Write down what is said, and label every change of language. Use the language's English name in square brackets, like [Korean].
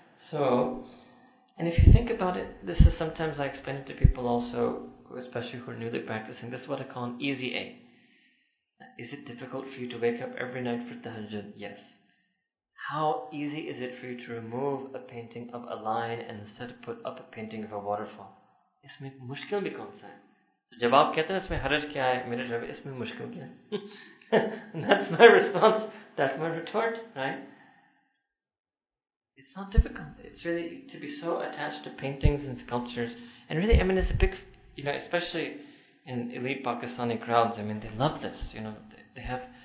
[English] So, and if you think about it, this is sometimes I explain it to people also, especially who are newly practicing, this is what I call an easy A. Is it difficult for you to wake up every night for tahajjud? Yes. How easy is it for you to remove a painting of a lion and instead put up a painting of a waterfall? [Urdu] اسمیں مشکل بھی کون سا ہے؟ So، جب آپ کہتے ہیں اسمیں حرج کیا ہے، میرے جواب اسمیں مشکل کیا ہے؟ [English] That's my response. That's my retort, right? It's not difficult. It's really to be so attached to paintings and sculptures. And really, I mean, it's a big, you know, especially in elite Pakistani crowds. I mean, they love this. You know, they have.